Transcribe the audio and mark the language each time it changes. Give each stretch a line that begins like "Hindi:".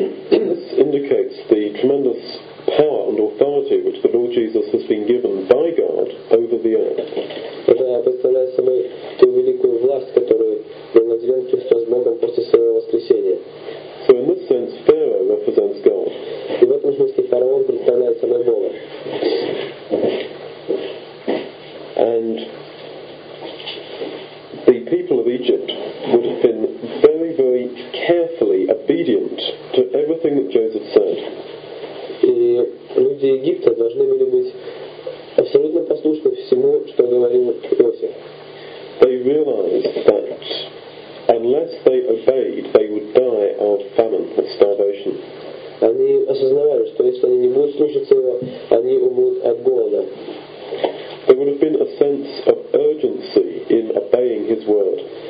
English: This indicates the tremendous power and authority which the Lord Jesus has been given by God over the earth.
Russian: Это представляет собой ту великую власть, которую был наделен Христос Богом после своего воскресения.
English: So in this sense, Pharaoh represents God.
Russian: И в этом смысле фараон представляет собой Бога.
English: And the people of Egypt would have been very, very carefully obedient to everything that Joseph said.
Russian: И люди Египта должны были быть абсолютно послушны всему, что говорил Иосиф.
English: They realized that unless they obeyed, they would die of famine or starvation.
Russian: Они осознавали, что если они не будут слушаться его, они умрут от голода.
English: There would have been a sense of urgency in obeying his word.